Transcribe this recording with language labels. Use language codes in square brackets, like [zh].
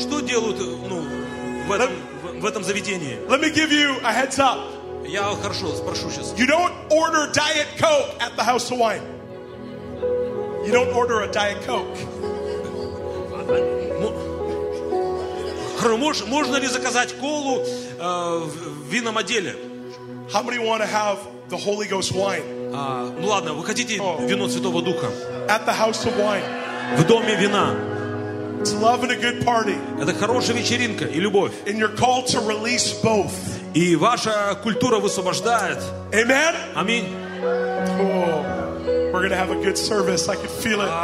[ru] Что делают, ну, в этом заведении? [en] Let me give you a heads up. [ru] Я хорошо спрошу сейчас. [en] You don't order Diet Coke at the house of wine. You don't order a Diet Coke. [ru] Можно ли заказать колу в винном отделе? [en] How many want to have the Holy Ghost wine? [ru] Ну ладно, вы хотите вино Святого Духа? [en] At the house of wine. [ru] В доме вина. [en] It's love and a good party. [ru] Это хорошая вечеринка и любовь. [en] And you're called to release both. [ru] И ваша культура высвобождает. [en] Amen. [ru] Аминь. [en] Oh, we're gonna have a good service. I can feel it.